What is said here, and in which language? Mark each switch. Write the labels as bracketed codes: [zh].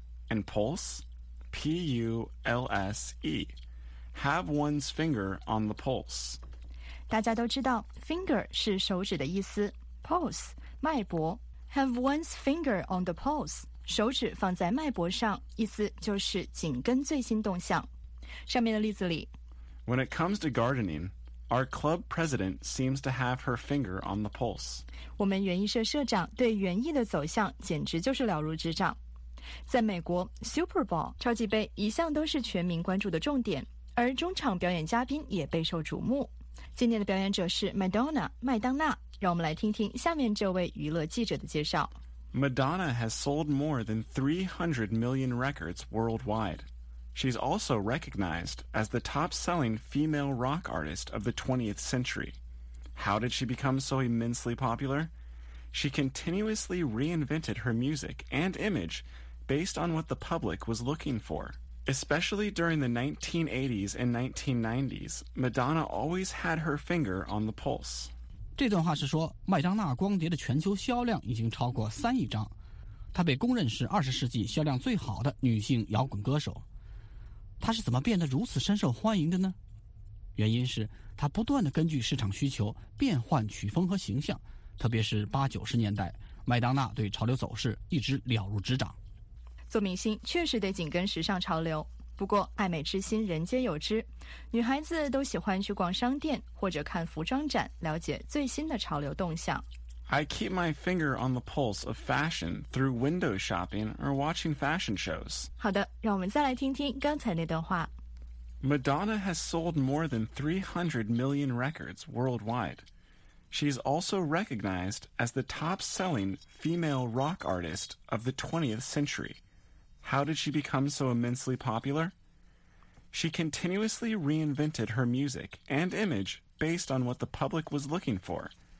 [en] And pulse? P-U-L-S-E. Have one's finger on the pulse. [zh] 大家都知道 finger 是手指的意思 pulse, 脉搏 [en] Have one's finger on the pulse. [zh] 手指放在脉搏上，意思就是紧跟最新动向。上面的例子里 [en] When it comes to gardening, our club president seems to have her finger on the pulse. [zh] 我们园艺社社长对园艺的走向简直就是了如指掌。在美国 ,Super Bowl, 超级杯一向都是全民关注的重点，而中场表演嘉宾也备受瞩目。今年的表演者是 Madonna, 麦当娜。让我们来听听下面这位娱乐记者的介绍。 [en] Madonna has sold more than 300 million records worldwide. She's also recognized as the top-selling female rock artist of the 20th century. How did she become so immensely popular? She continuously reinvented her music and image based on what the public was looking for. Especially during the 1980s and 1990s, Madonna always had her finger on the pulse. [zh] 这段话是说，麦当娜光碟的全球销量已经超过3亿张。她被公认是20世纪销量最好的女性摇滚歌手。她是怎么变得如此深受欢迎的呢？原因是她不断地根据市场需求变换曲风和形象，特别是80-90年代，麦当娜对潮流走势一直了如指掌。做明星确实得紧跟时尚潮流，不过爱美之心人皆有之，女孩子都喜欢去逛商店或者看服装展，了解最新的潮流动向。 [en] I keep my finger on the pulse of fashion through window shopping or watching fashion shows. [zh] 好的，让我们再来听听刚才那段话。 [en] Madonna has sold more than 300 million records worldwide. She's also recognized as the top-selling female rock artist of the 20th century. How did she become so immensely popular? She continuously reinvented her music and image based on what the public was looking for.